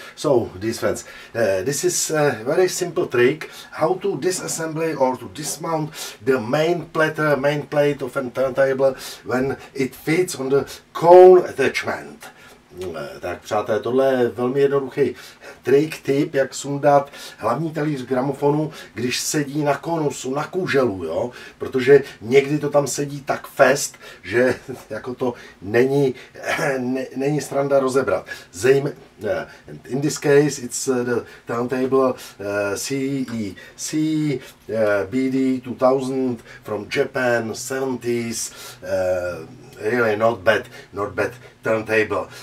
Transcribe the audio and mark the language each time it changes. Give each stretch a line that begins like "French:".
English: So, these fans, this is a very simple trick how to disassemble or to dismount the main plate of a turntable when it fits on the cone attachment.
Czech: Tak přátelé, tohle je velmi jednoduchý trik, tip, jak sundat hlavní talíř gramofonu, když sedí na konusu, na kůželu, jo? Protože někdy to tam sedí tak fest, že jako to není sranda rozebrat.
English: In this case, it's the turntable CEC BD 2000 from Japan, 70s, really not bad turntable.